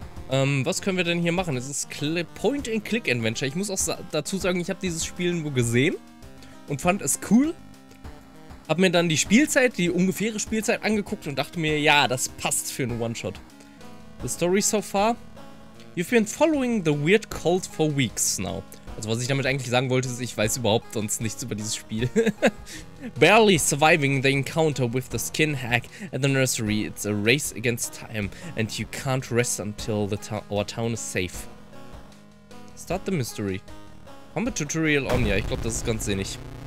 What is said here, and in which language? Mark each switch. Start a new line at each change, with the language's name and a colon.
German: Was können wir denn hier machen? Es ist Point-and-Click-Adventure. Ich muss auch dazu sagen, ich habe dieses Spiel nur gesehen und fand es cool. Hab mir dann die Spielzeit, die ungefähre Spielzeit angeguckt und dachte mir, ja, das passt für einen One-Shot.
English: The story so far. You've been following the weird cult for weeks now.
German: Also was ich damit eigentlich sagen wollte, ist, ich weiß überhaupt sonst nichts über dieses Spiel.
English: Barely surviving the encounter with the skin hack at the nursery, it's a race against time and you can't rest until our town is safe. Start the mystery. Combat tutorial on,
German: ja, ich glaube, das ist ganz sinnig.